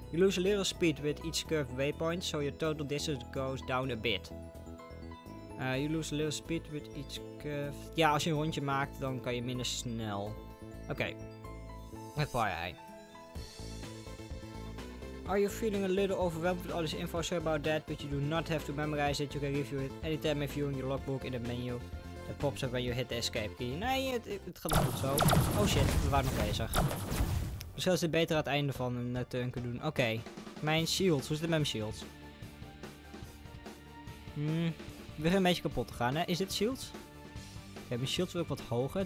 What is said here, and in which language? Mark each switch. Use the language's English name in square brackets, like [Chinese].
[English] You lose a little speed with each curved waypoint, so your total distance goes down a bit. You lose a little speed with each curved... [Dutch] Ja, als je een rondje maakt, dan kan je minder snel. Oké. Met fire eye. [English] Are you feeling a little overwhelmed with all this info? Sorry about that, but you do not have to memorize it. You can review it anytime if you're in your logbook in the menu. That pops up when you hit the escape key. [Dutch] Nee, het gaat goed zo. Oh shit, we waren nog bezig. Misschien is het beter aan het einde van een turn kunnen doen. Oké. Mijn shields. Hoe zit het met mijn shields? Weer een beetje kapot te gaan, hè? Is dit shields? Oké, mijn shields wil ik wat hoger.